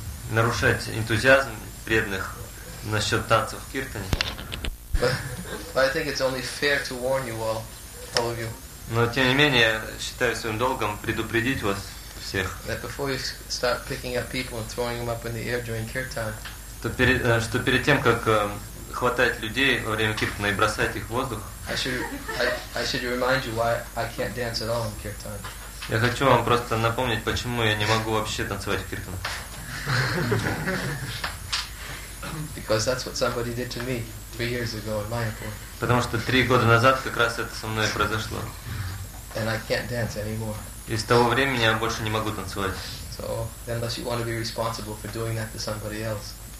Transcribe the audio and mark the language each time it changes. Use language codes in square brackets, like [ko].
[ru] Нарушать энтузиазм преданных насчет танцев в киртане. [en] But I think it's only fair to warn you all of you. [ru] Но тем не менее, я считаю своим долгом предупредить вас всех. [en] That before you start picking up people and throwing them up in the air during kirtan. [ru] Что перед тем, как хватать людей во время киртана и бросать их в воздух. [en] I should remind you why I can't dance at all in kirtan. [ru] Я хочу вам просто напомнить, почему я не могу вообще танцевать в киртане. [en] Because that's what somebody did to me 3 years ago in Mayapur. [ru] Потому что 3 года назад как раз это со мной произошло. [en] And I can't dance anymore. [ru] И с того времени я больше не могу танцевать. [en] So unless you want to be responsible for doing that to somebody else.